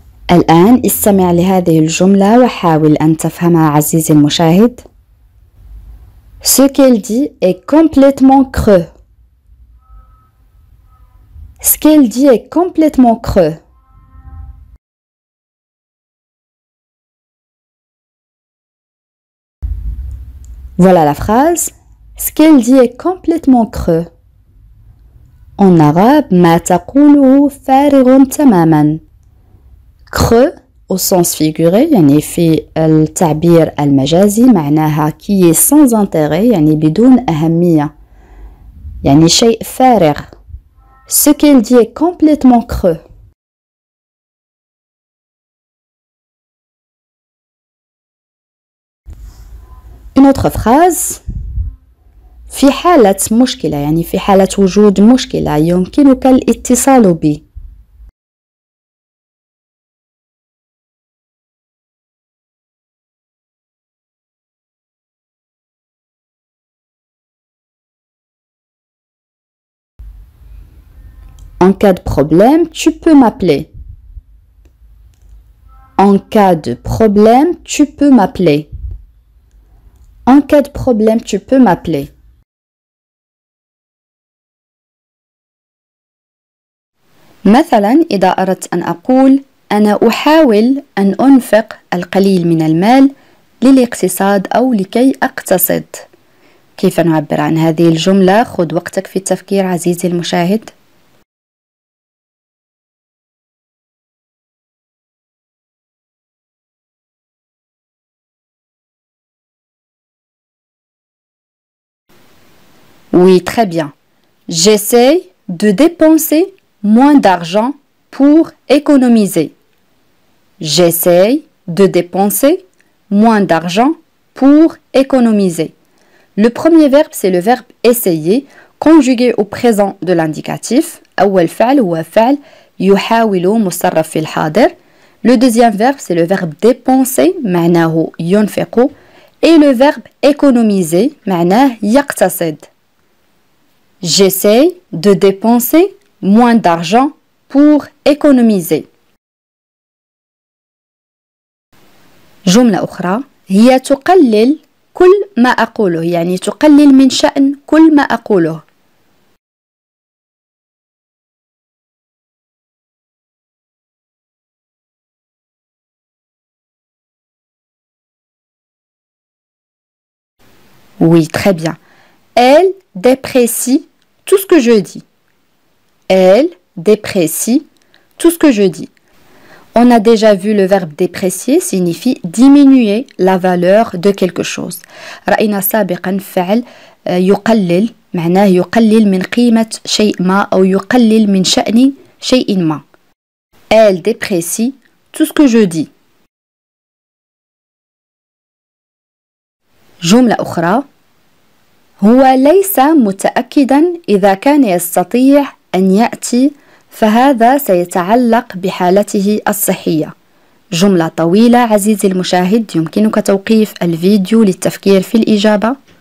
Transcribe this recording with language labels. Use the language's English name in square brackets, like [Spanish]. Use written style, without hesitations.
[Arabic] الآن استمع لهذه الجملة وحاول أن تفهمها عزيزي المشاهد. [French] Ce qu'elle dit est complètement creux. Ce qu'elle dit est complètement creux. Voilà la phrase. Ce qu'elle dit est complètement creux. En arabe, [Arabic] ما تقوله فارغ تماما. [French] Creux, au sens figuré, [Arabic] يعني في التعبير المجازي, معناها [French] qui est sans intérêt, [Arabic] يعني بدون أهمية. يعني شيء فارغ. [French] Ce qu'elle dit est complètement creux. Une autre phrase. [Arabic] في حالة مشكلة, يعني في حالة وجود مشكلة, يمكنك الاتصال بي. [French] En cas de problème, tu peux m'appeler. En cas de problème, tu peux m'appeler. En cas de problème, tu peux m'appeler. [Arabic] مثلا إذا أردت أن أقول أنا أحاول أن أنفق القليل من المال للاقتصاد أو لكي أقتصد. كيف نعبر عن هذه الجملة؟ خذ وقتك في التفكير عزيزي المشاهد. [French] Oui, très bien. J'essaie de dépenser moins d'argent pour économiser. J'essaie de dépenser moins d'argent pour économiser. Le premier verbe, c'est le verbe essayer, conjugué au présent de l'indicatif. [Arabic] أول فعل هو فعل يحاول مصرف في الحاضر. [French] Le deuxième verbe, c'est le verbe dépenser, [Arabic] معناه ينفق. [French] Et le verbe économiser, [Arabic] معناه يقتصد. [French] J'essaie de dépenser moins d'argent pour économiser. [Arabic] جملة أخرى هي تقلل كل ما أقوله يعني تقلل من شأن كل ما أقوله. [French] Oui, très bien. Elle déprécie tout ce que je dis. Elle déprécie tout ce que je dis. On a déjà vu le verbe déprécier signifie diminuer la valeur de quelque chose. [Arabic] رأينا سابقا فعل يقلل معناه يقلل من قيمة شيء ما أو يقلل من شأن شيء ما. [French] Elle déprécie tout ce que je dis. [Arabic] جملة أخرى هو ليس متأكدا إذا كان يستطيع أن يأتي فهذا سيتعلق بحالته الصحية. جملة طويلة عزيزي المشاهد يمكنك توقيف الفيديو للتفكير في الإجابة.